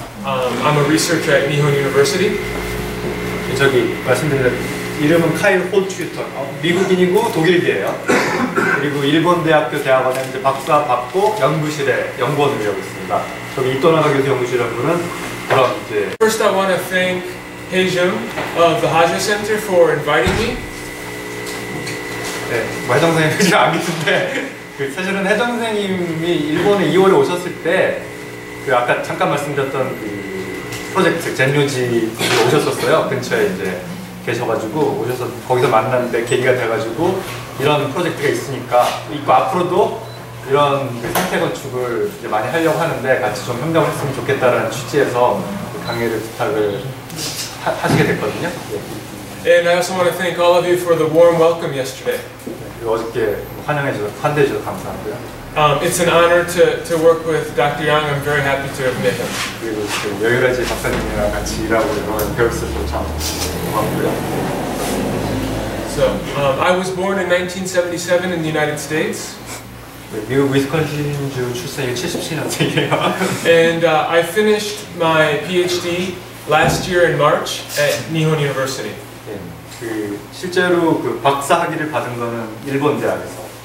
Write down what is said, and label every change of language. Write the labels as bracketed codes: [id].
[en] I'm a researcher at Nihon University. [ko] 저기 말씀드린 이름은 카일 홀츠휴터. 미국인이고 독일계예요. 그리고 일본대학교 대학원에 이제 박사 받고 연구실에 연구원을 하고 있습니다. 저기 이토나가 교수 연구실한 분은 그럼 이제 [en] First I want to thank Heijun of the Haja Center for inviting me. [ko] 네, 회장선생님 지금 안 계신데 그 사실은 회장선생님이 일본에 2월에 오셨을 때 그 아까 잠깐 말씀드렸던 그 프로젝트 젠요지 오셨었어요. 근처에 이제 계셔가지고 오셔서 거기서 만났는데 계기가 돼가지고 이런 프로젝트가 있으니까 있고 앞으로도 이런 그 생태 건축을 이제 많이 하려고 하는데 같이 좀 협력을 했으면 좋겠다라는 취지에서 그 강의를 부탁을 하시게 됐거든요. [en] And I also want to thank all of you for the warm welcome yesterday. [ko] 어저께 환대해 주셔서 감사합니다. [en] It's an honor to work with Dr. Yang. I'm very happy to have met him. [ko] 그리고 그 여유라지 박사님이랑 같이 일하고 이런 배웠어서 참 고맙고요. [en] So, I was born in 1977 in the United States. [ko] 미국 위스콘신주 출생이 77년생이에요. [en] And I finished my PhD last year in March at Nihon University. [ko] 그 실제로 그 박사 학위를 받은 거는 일본 대학에서.